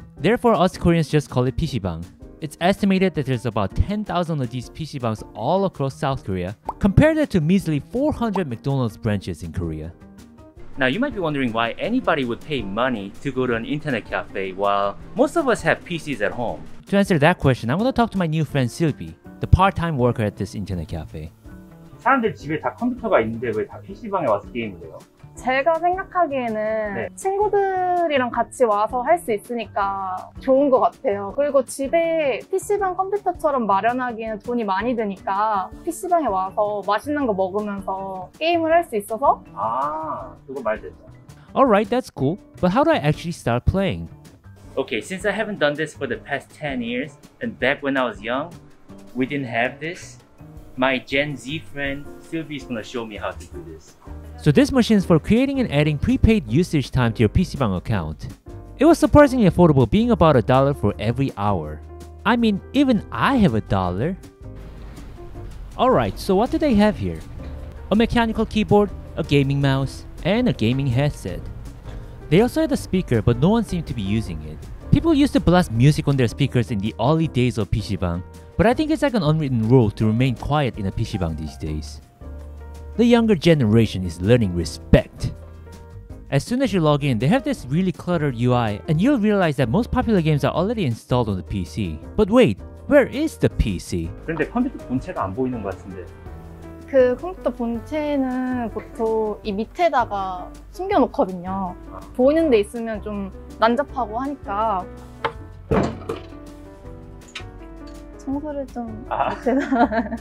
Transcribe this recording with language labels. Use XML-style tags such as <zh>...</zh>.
<en>Therefore, us Koreans just call it PC-bang. It's estimated that there's about 10,000 of these PC-bangs all across South Korea, compared to measly 400 McDonald's branches in Korea. Now, you might be wondering why anybody would pay money to go to an internet cafe while most of us have PCs at home. To answer that question, I'm going to talk to my new friend Seulbi, the part-time worker at this internet cafe.</en> <ko>사람들 집에 다 컴퓨터가 있는데 왜 다 PC방에 와서 게임을 해요? 제가 생각하기에는 네. 친구들이랑 같이 와서 할 수 있으니까 좋은 것 같아요. 그리고 집에 PC방 컴퓨터처럼 마련하기에는 돈이 많이 드니까 PC방에 와서 맛있는 거 먹으면서 게임을 할 수 있어서 아, 그거 말 됐다.</ko> <en>Alright, that's cool. But how do I actually start playing? Okay, since I haven't done this for the past 10 years and back when I was young, we didn't have this. My Gen Z friend, Seulbi, is going to show me how to do this. So this machine is for creating and adding prepaid usage time to your PC-bang account. It was surprisingly affordable, being about a dollar for every hour. I mean, even I have a dollar. Alright, so what do they have here? A mechanical keyboard, a gaming mouse, and a gaming headset. They also had a speaker, but no one seemed to be using it. People used to blast music on their speakers in the early days of PC-bang, but I think it's like an unwritten rule to remain quiet in a PC-bang these days. The younger generation is learning respect. As soon as you log in, they have this really cluttered UI, and you'll realize that most popular games are already installed on the PC. But wait, where is the PC?</en> <ko>그런데 컴퓨터 본체가 안 보이는 것 같은데. 그 컴퓨터 본체는 보통 이 밑에다가 숨겨놓거든요. 보이는 데 있으면 좀 난잡하고 하니까 청소를 좀 못해서</ko>